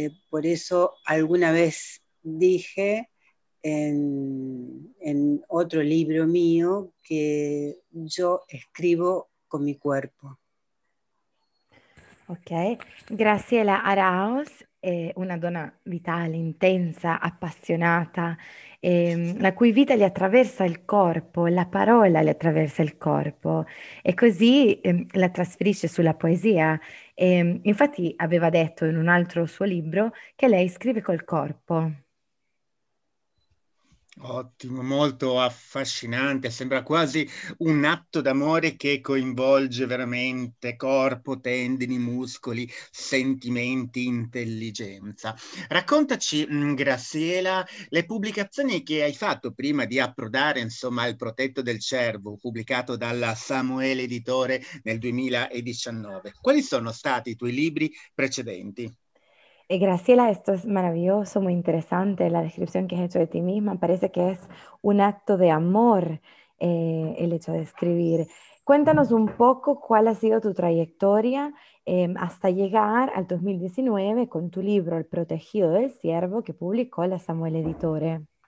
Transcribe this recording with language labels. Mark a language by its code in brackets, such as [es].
[es] Por eso alguna vez dije en otro libro mío que yo escribo con mi cuerpo. [it] Ok, Graciela Araoz è una donna vitale, intensa, appassionata, la cui vita le attraversa il corpo, la parola le attraversa il corpo e così la trasferisce sulla poesia. Infatti aveva detto in un altro suo libro che lei scrive col corpo. Ottimo, molto affascinante, sembra quasi un atto d'amore che coinvolge veramente corpo, tendini, muscoli, sentimenti, intelligenza. Raccontaci, Graciela, le pubblicazioni che hai fatto prima di approdare, insomma, al Protetto del Cervo, pubblicato dalla Samuele Editore nel 2019. Quali sono stati i tuoi libri precedenti? [es] Y Graciela, esto es maravilloso, muy interesante la descripción que has hecho de ti misma. Parece que es un acto de amor el hecho de escribir. Cuéntanos un poco cuál ha sido tu trayectoria hasta llegar al 2019 con tu libro El protegido del ciervo que publicó la Samuel Editore.